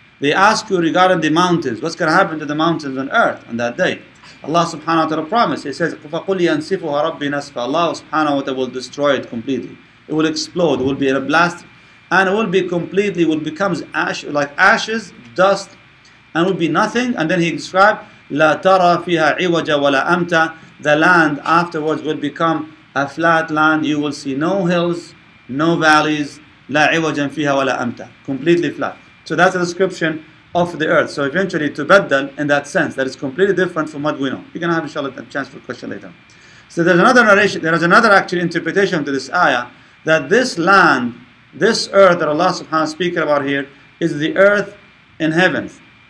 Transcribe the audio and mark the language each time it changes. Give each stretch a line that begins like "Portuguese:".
English: They ask you regarding the mountains. What's going to happen to the mountains on earth on that day? Allah subhanahu wa ta'ala promised. He says,
Arabic: فَقُلْ يَنْسِفُهَا رَبِّي نَسْفًا.
English: Allah subhanahu wa ta'ala will destroy it completely. It will explode. It will be in a blast. And it will be completely, will become ash, like ashes, dust, and will be nothing. And then he described,
Arabic: لَا تَرَى فِيهَا عِوَجًا وَلَا أَمْتًا.
English: The land afterwards will become a flat land. You will see no hills, no valleys.
Arabic: لَا عِوَجًا فِيهَا وَلَا أَمْتًا.
English: Completely flat. So that's a description of the earth. So eventually, to Tubaddal, in that sense, that is completely different from what we know. You're going to have, inshallah, a chance for a question later. So there's another narration, there is another actual interpretation to this ayah, that this land, this earth that Allah subhanahu wa ta'ala is speaking about here, is the earth in heavens.